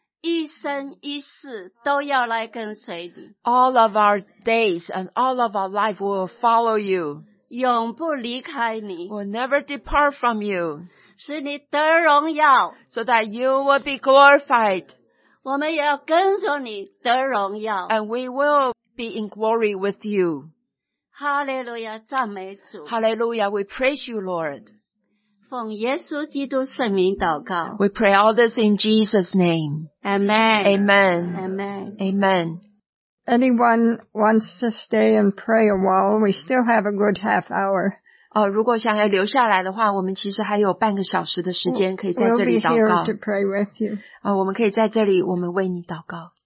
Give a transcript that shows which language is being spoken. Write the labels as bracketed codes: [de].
[zh] 一生一世都要来跟随你 [en] all of our days and all of our life will follow you [zh] 永不离开你 [en] will never depart from you [zh] 使你得荣耀 [en] so that you will be glorified [zh] 我们也要跟着你得荣耀 [en] and we will be in glory with you [zh] Hallelujah 赞美主 [en] Hallelujah we praise you Lord [zh] 奉耶稣基督圣名祷告。 [en] We pray all this in Jesus' name. Amen. Amen. Amen. Amen. Anyone wants to stay and pray a while? We still have a good half hour. [zh] 如果想要留下来的话，我们其实还有半个小时的时间可以在这里祷告。 [en] We'll be here to pray with you. [zh] 我们可以在这里，我们为你祷告。